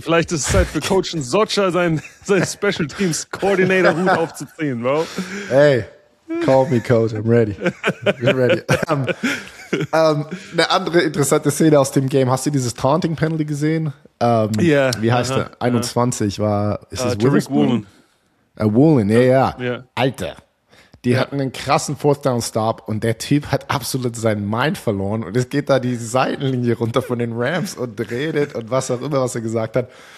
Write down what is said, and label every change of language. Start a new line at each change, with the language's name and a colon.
German: Vielleicht ist es Zeit für Coach Socha, sein Special Teams Coordinator Hut aufzuziehen, bro.
English: Hey, call me Coach, I'm ready. I'm ready.
German: Eine andere interessante Szene aus dem Game. Hast du dieses Taunting Penalty gesehen?
English: Yeah,
German: wie heißt der? 21 war. Ist es Tariq Woolen. Woolen, ja. Alter. Die hatten einen krassen Fourth Down Stop und der Typ hat absolut seinen Mind verloren und es geht da die Seitenlinie runter von den Rams und redet und was auch immer, was er gesagt hat.